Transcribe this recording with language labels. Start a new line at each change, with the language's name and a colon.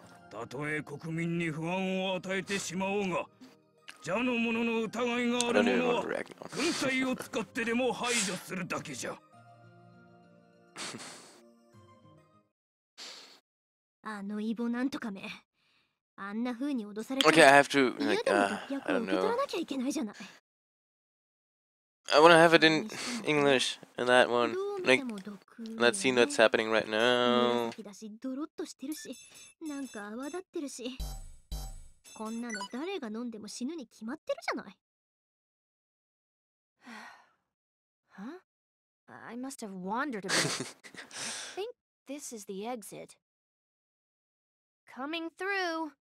Japanese: たとえ国民に不安を与えてしまおうが、邪の者の疑いがあるのは軍隊を使ってでも排除するだけじゃ。あのイボなんとかめ、あんな風に脅されて。
English: Okay, I have to, like, I don't know.
Japanese: らなきゃいけないじゃない。
English: I want to have it in English, and that one, like, that scene that's happening right now.
Japanese: だし、ドロッとしてるし、なんか泡立ってるし、こんなの誰が飲んでも死ぬに決まってるじゃない。
English: Huh? I must have wandered a bit. I think this is the exit. Coming through.